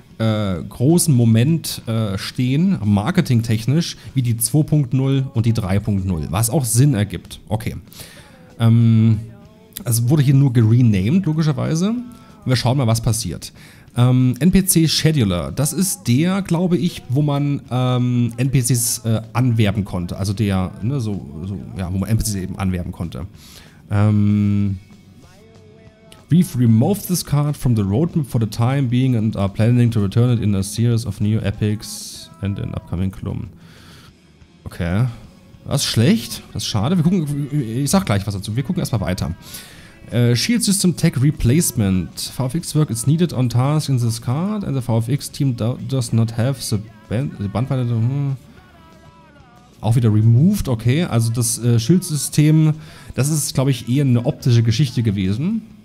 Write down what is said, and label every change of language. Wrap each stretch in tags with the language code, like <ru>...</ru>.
<de>großen Moment stehen, marketingtechnisch, wie die 2.0 und die 3.0, was auch Sinn ergibt. Okay. Also wurde hier nur gerenamed, logischerweise. Und wir schauen mal, was passiert. NPC Scheduler, das ist der, glaube ich, wo man NPCs anwerben konnte. Also der, ne, so, wo man NPCs eben anwerben konnte.</de> <en>We've removed this card from the roadmap for the time being and are planning to return it in a series of new epics and in upcoming Klum.</en> <de>Okay. Das ist schlecht. Das ist schade. Wir gucken, ich sag gleich was dazu. Wir gucken erstmal weiter.</de> <en>Shield System Tech Replacement. VFX work is needed on task in this card and the VFX team does not have the bandwidth.</en> <de>Auch wieder removed, okay. Also das Schildsystem, das ist, glaube ich, eher eine optische Geschichte gewesen.</de>